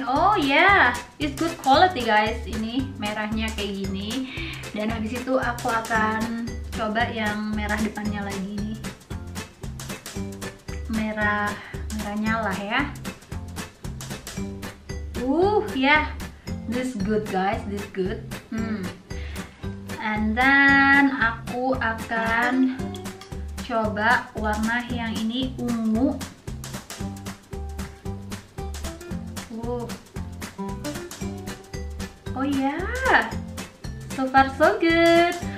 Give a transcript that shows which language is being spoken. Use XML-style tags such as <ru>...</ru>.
<en>Oh yeah, it's good quality guys.</en> <id>Ini merahnya kayak gini. Dan habis itu aku akan coba yang merah depannya lagi. Merah nyala ya.</id> <en>Yeah. This good guys, this good. And then</en> <id>aku akan coba warna yang ini ungu.</id> <en>Oh yeah, so far so good.</en>